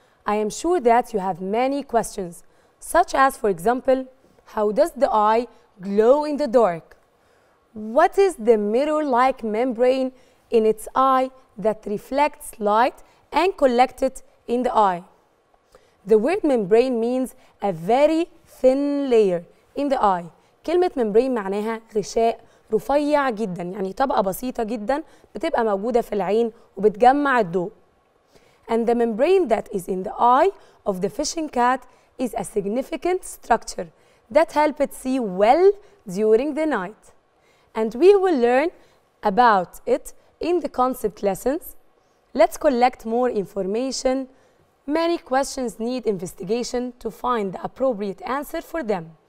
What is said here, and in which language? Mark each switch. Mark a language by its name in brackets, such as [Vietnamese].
[English] I am sure that you have many questions, such as, for example, how does the eye glow in the dark? What is the mirror-like membrane in its eye that reflects light and collects it in the eye? The word membrane means a very thin layer in the eye. [Arabic] كلمة membrane معناها غشاء رفيع جدا، يعني طبقة بسيطة جدا بتبقى موجودة في العين وبتجمع الضوء. [English] And the membrane that is in the eye of the fishing cat is a significant structure that helps it see well during the night. And we will learn about it in the concept lessons. Let's collect more information. Many questions need investigation to find the appropriate answer for them.